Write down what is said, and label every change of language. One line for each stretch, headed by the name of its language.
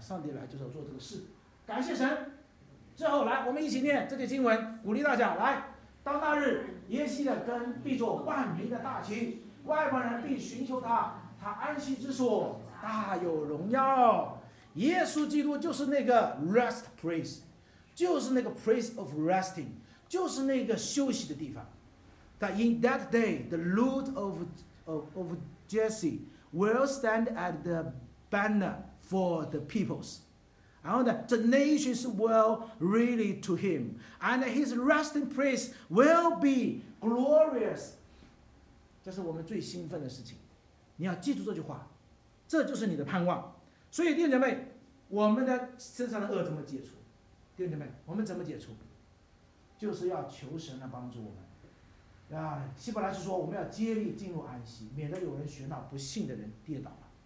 Chinese: 上帝来就是要做这个事，感谢神。最后来我们一起念这些经文鼓励大家，来，当那日耶西的根必做万民的大旗，外邦人必寻求他，他安息之所大有荣耀。耶稣基督就是那个 rest place， 就是那个 place of resting， 就是那个休息的地方。
English: That in that day the root of Jesse will stand at the banner for the peoples and the nations will rally to him and his resting place will be glorious。
Chinese: 这是我们最兴奋的事情，你要记住这句话，这就是你的盼望。所以弟兄姐妹，我们的身上的恶怎么解除？弟兄姐妹，我们怎么解除？就是要求神来帮助我们啊。希伯来是说我们要竭力进入安息，免得有人学那不信的人跌倒了。